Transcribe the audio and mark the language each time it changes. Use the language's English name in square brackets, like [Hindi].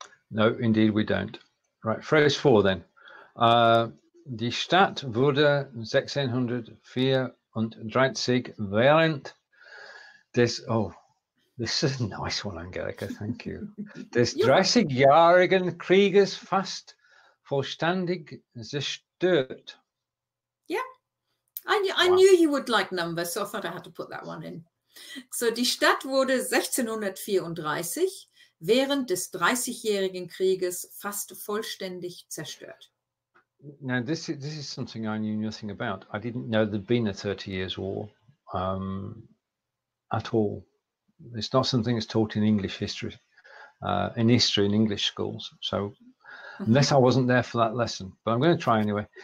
[English] No, indeed we don't. Right, phrase four then. [German] Die Stadt wurde 1604 und 30 während des... [English] Oh, this is a nice one, Angelika, thank you. [German] Des Dreißigjährigen Krieges fast vollständig zerstört. [English] Yeah, I knew you would like numbers, so I thought I had to put that one in. [German] So, die Stadt wurde 1634 während des Dreißigjährigen Krieges fast vollständig zerstört. [English] Now, this is something I knew nothing about. I didn't know there'd been a 30 years war at all. It's not something that's taught in English history, in English schools. So unless I wasn't there for that lesson, but I'm going to try anyway.